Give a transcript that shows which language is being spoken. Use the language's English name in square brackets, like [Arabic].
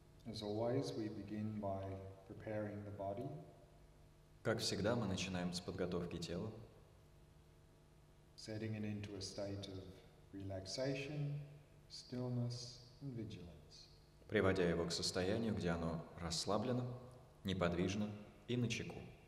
[English] As always, we begin by preparing the body. [Russian] Как всегда, мы начинаем с подготовки тела. [English] Setting it into a state of relaxation, stillness, and vigilance. [Russian] Приводя его к состоянию, где оно расслаблено, неподвижно и начеку.